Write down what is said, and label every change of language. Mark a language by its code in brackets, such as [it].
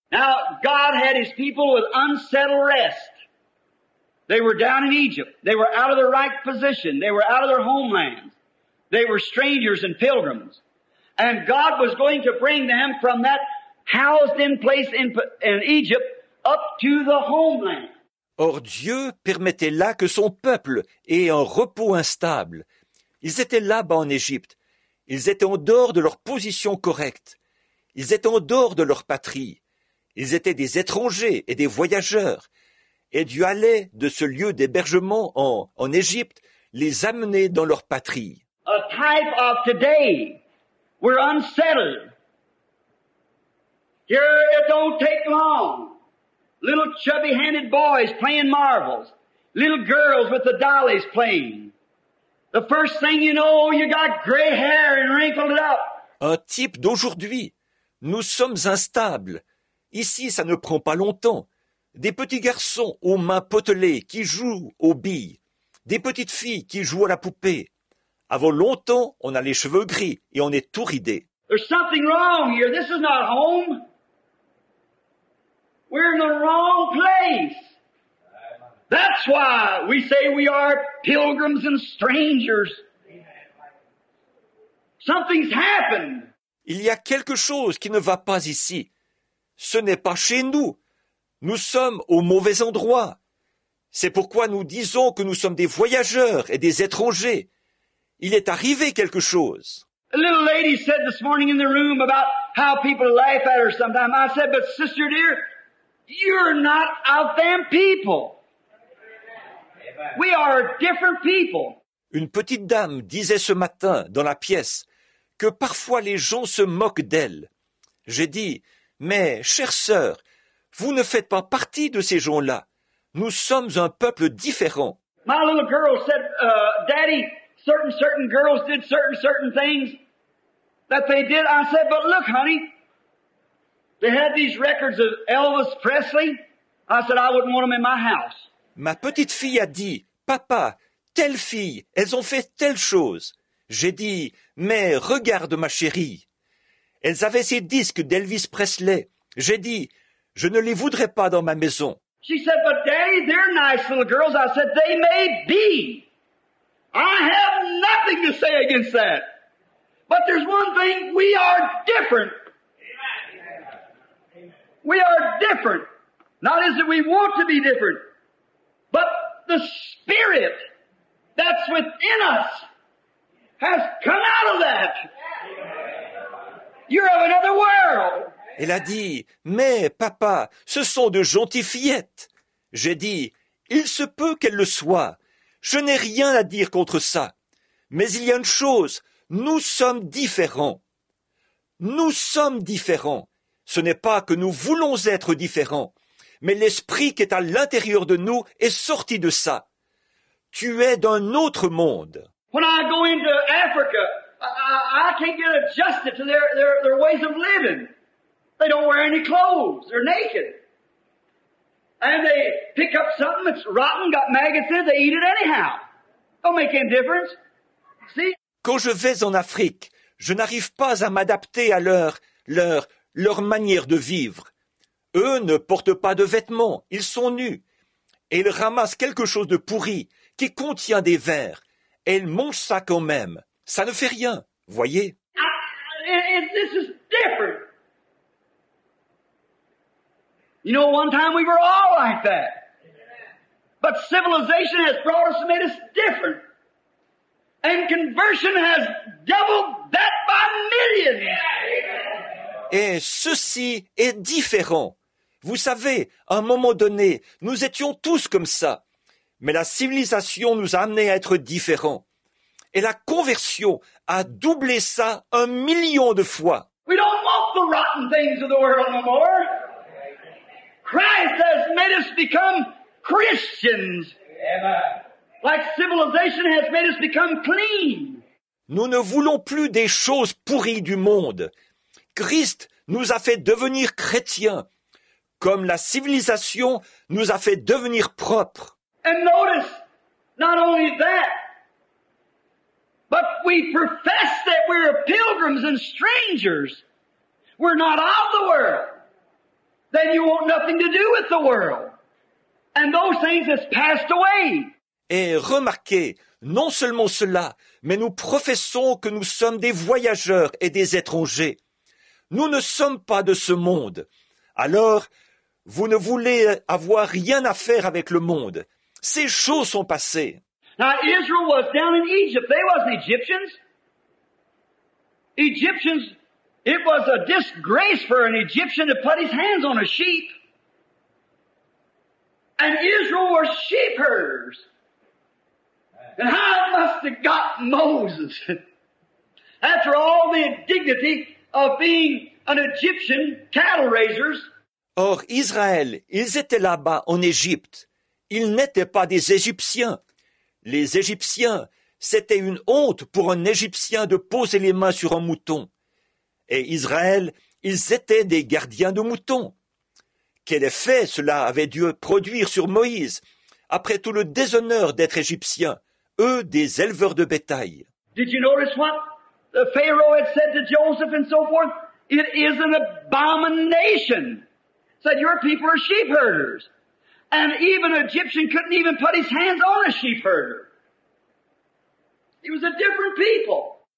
[en] Now, God had his people with unsettled rest. They were down in Egypt. They were out of their right position. They were out of their homeland. They were strangers and pilgrims. And God was going to bring them from that housed-in place in Egypt up to the homeland. [fr] Or, Dieu permettait là que son peuple ait un repos instable. Ils étaient là-bas en Égypte. Ils étaient en dehors de leur position correcte. Ils étaient en dehors de leur patrie. Ils étaient des étrangers et des voyageurs. Et Dieu allait de ce lieu d'hébergement en Égypte les amener dans leur patrie. [en] A type of today, we're unsettled. Here it don't take long. Little chubby-handed boys playing marbles. Little girls with the dollies playing. The first thing you know, you got gray hair and wrinkled up. [fr] Un type d'aujourd'hui. Nous sommes instables. Ici, ça ne prend pas longtemps. Des petits garçons aux mains potelées qui jouent aux billes. Des petites filles qui jouent à la poupée. Avant longtemps, on a les cheveux gris et on est tout ridé. [en] There's something wrong here. This is not home. We're in the wrong place. That's why we say we are pilgrims and strangers. Something's happened. [fr] Il y a quelque chose qui ne va pas ici. Ce n'est pas chez nous. Nous sommes au mauvais endroit. C'est pourquoi nous disons que nous sommes des voyageurs et des étrangers. Il est arrivé quelque chose. [en] A little lady said this morning in the room about how people laugh at her sometimes. I said, but sister dear, you're not of them people. We are different people. [fr] Une petite dame disait ce matin dans la pièce que parfois les gens se moquent d'elle. J'ai dit, mais chère sœur, vous ne faites pas partie de ces gens-là. Nous sommes un peuple différent. [en] My little girl said, Daddy, certain girls did certain things that they did. I said, but look, honey, they had these records of Elvis Presley. I said, I wouldn't want them in my house. [fr] Ma petite fille a dit, « Papa, telle fille, elles ont fait telle chose. » J'ai dit, « Mais regarde ma chérie. » Elles avaient ces disques d'Elvis Presley. J'ai dit, « Je ne les voudrais pas dans ma maison. » [en] She said, « But Daddy, they're nice little girls. » I said, « They may be. I have nothing to say against that. But there's one thing, we are different. We are different. Not as if we want to be different. But the spirit that's within us has come out of that. You're of another world. [fr] Elle a dit, mais papa, ce sont de gentilles fillettes. J'ai dit, il se peut qu'elles le soient. Je n'ai rien à dire contre ça. Mais il y a une chose, nous sommes différents. Nous sommes différents. Ce n'est pas que nous voulons être différents. Mais l'esprit qui est à l'intérieur de nous est sorti de ça. tu es d'un autre monde. [en] When I go into Africa, I can't get adjusted to their ways of living. They don't wear any clothes. They're naked. And they pick up something that's rotten, got maggots in it, they eat it anyhow. Don't make any difference. See? [fr] Quand je vais en Afrique, je n'arrive pas à m'adapter à leur manière de vivre. Eux ne portent pas de vêtements, ils sont nus. Et ils ramassent quelque chose de pourri qui contient des vers. Et ils mangent ça quand même. Ça ne fait rien, voyez. [en] This is different. You know, one time we were all like that. But civilization has brought us and made us different. And conversion has doubled that by millions. [fr] Et ceci est différent. Vous savez, à un moment donné, nous étions tous comme ça. Mais la civilisation nous a amenés à être différents. Et la conversion a doublé ça un million de fois. [en] We don't want the rotten things of the world no more. Christ has made us become Christians. Like civilization has made us become clean. [fr] Nous ne voulons plus des choses pourries du monde. Christ nous a fait devenir chrétiens, comme la civilisation nous a fait devenir propres. [en] And notice, not only that, but we profess that we're pilgrims and strangers. We're not of the world. Then you want nothing to do with the world. And those things have passed away. [fr] Et remarquez, non seulement cela, mais nous professons que nous sommes des voyageurs et des étrangers. Nous ne sommes pas de ce monde. Alors, vous ne voulez avoir rien à faire avec le monde. Ces choses sont passées. [en] Now, Israel was down in Egypt. They wasn't Egyptians. Egyptians, it was a disgrace for an Egyptian to put his hands on a sheep. And Israel were sheep herders. And how it must have got Moses. After all the indignity of being an Egyptian cattle raisers. [fr] Or, Israël, ils étaient là-bas en Égypte. Ils n'étaient pas des Égyptiens. Les Égyptiens, c'était une honte pour un Égyptien de poser les mains sur un mouton. Et Israël, ils étaient des gardiens de moutons. Quel effet cela avait dû produire sur Moïse, après tout le déshonneur d'être Égyptien, eux des éleveurs de bétail. [en] Did you notice what the Pharaoh had said to Joseph and so forth? It is an abomination. Said your people are sheep herders. And even an Egyptian couldn't even put his hands on a sheep herder. He was a different people.